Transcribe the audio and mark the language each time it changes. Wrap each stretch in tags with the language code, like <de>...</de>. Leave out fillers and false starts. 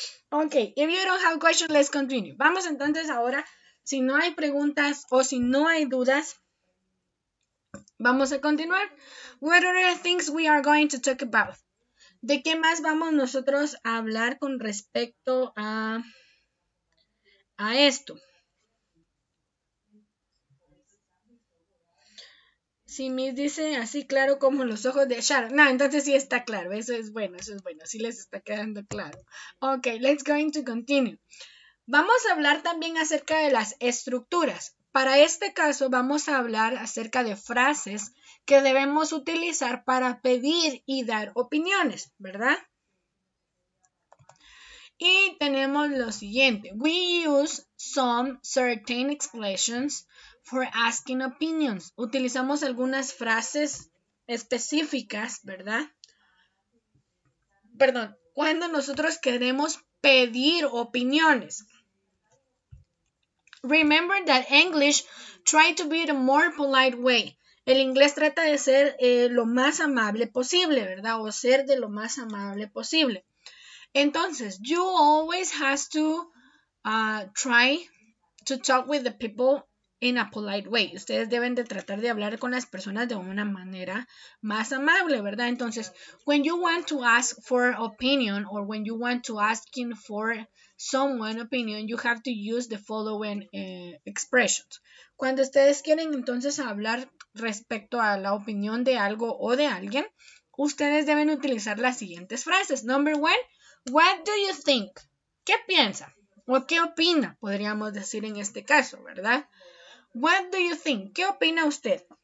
<en>Ok, if you don't have questions, let's continue.</en> <es>Vamos entonces ahora, si no hay preguntas o si no hay dudas, vamos a continuar.</es> <en>What are the things we are going to talk about?</en> <es>¿De qué más vamos nosotros a hablar con respecto a esto? Si me dice así claro como los ojos de Sharon. No, entonces sí está claro. Eso es bueno, eso es bueno. Sí les está quedando claro.</es> <en>Ok, let's going to continue.</en> <es>Vamos a hablar también acerca de las estructuras. Para este caso vamos a hablar acerca de frases que debemos utilizar para pedir y dar opiniones, ¿verdad? Y tenemos lo siguiente.</es> <en>We use some certain expressions for asking opinions.</en> <es>Utilizamos algunas frases específicas, ¿verdad? Perdón, cuando nosotros queremos pedir opiniones.</es> <en>Remember that English try to be the more polite way.</en> <es>El inglés trata de ser lo más amable posible, ¿verdad? O ser de lo más amable posible.</es> <en>Entonces, you always has to try to talk with the people in a polite way.</en> <es>Ustedes deben de tratar de hablar con las personas de una manera más amable, ¿verdad?</es> <en>Entonces, when you want to ask for opinion or when you want to asking for someone opinion, you have to use the following expressions.</en> <es>Cuando ustedes quieren entonces hablar respecto a la opinión de algo o de alguien, ustedes deben utilizar las siguientes frases.</es> <en>Number one, what do you think?</en> <es>¿Qué piensa? ¿O qué opina? Podríamos decir en este caso, ¿verdad?</es> <en>What do you think?</en> <es>¿Qué opina usted?</es>